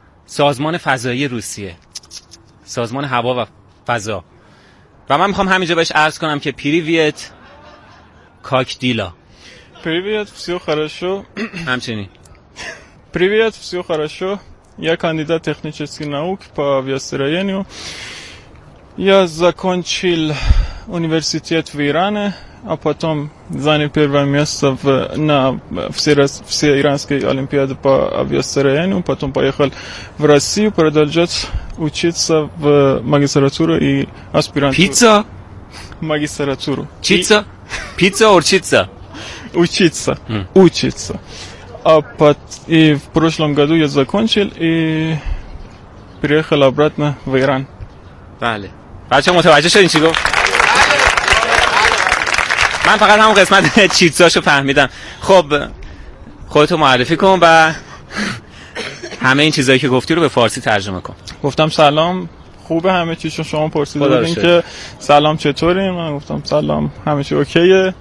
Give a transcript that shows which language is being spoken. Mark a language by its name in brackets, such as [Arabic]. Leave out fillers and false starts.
[Persian] سازمان فضایی روسیه. سازمان هوا و فضا. و من میخوام همینجا بهش عرض کنم که [Russian] پریویت کاک دیلا. پریویت وسیو خراشو. [Persian] همچنین. [Russian] پریویت وسیو خراشو. یا کاندیدات تکنیکسکی ناوک پا ویاستراینیو. Я закончил университет в Иране, а потом занял первое место на всеиранской олимпиаде по авиастроению, потом поехал в Россию продолжать учиться в магистратуре и аспирантуре. Пицца? Магистратуру. Чица? Пицца или чица? Учиться. Учиться. А и в прошлом году я закончил и приехал обратно в Иран. Далее. [Persian] بچه ها متوجه شدین چی گفت؟ من فقط همون قسمت چیتزاشو فهمیدم. خب خودتو معرفی کن و همه این چیزایی که گفتی رو به فارسی ترجمه کن. گفتم سلام، خوبه همه چیشو شما پرسیده بودین که سلام چطوری؟ من گفتم سلام همه چی اوکیه.